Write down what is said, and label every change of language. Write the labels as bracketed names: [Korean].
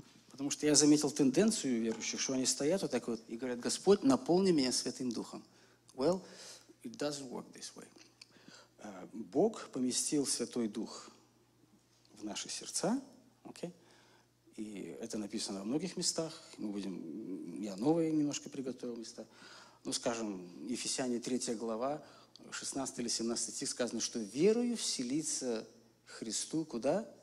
[Russian] Потому что я заметил тенденцию верующих, что они стоят вот так вот и говорят: «Господь, наполни меня Святым Духом». [English] Well, it doesn't work this way. [Russian] Бог поместил Святой Дух в наши сердца, okay? И это написано во многих местах. Я новые немножко приготовил места. Ну, скажем, Ефесяне 3 глава, 16 или 17 стих сказано, что верою вселится Христу куда?